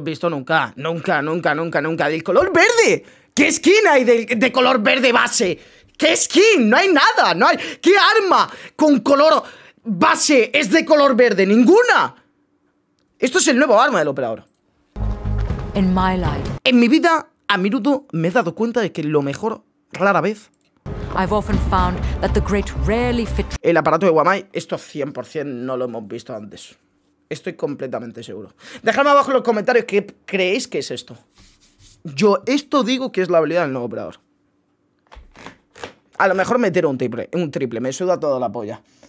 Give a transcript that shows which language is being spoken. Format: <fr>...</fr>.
<es>Nunca. ¡Del color verde! ¿Qué skin hay de color verde base? ¿Qué skin? No hay nada. ¿Qué arma con color base es de color verde? ¡Ninguna! Esto es el nuevo arma del operador. En mi vida, a menudo me he dado cuenta de que lo mejor, rara vez...</es> <en>I've often found that the great rarely fit.</en> <es>El aparato de Wamai, esto 100% no lo hemos visto antes. Estoy completamente seguro. Dejadme abajo en los comentarios qué creéis que es esto. Yo esto digo que es la habilidad del nuevo operador. A lo mejor meter un triple, me suda toda la polla.</es>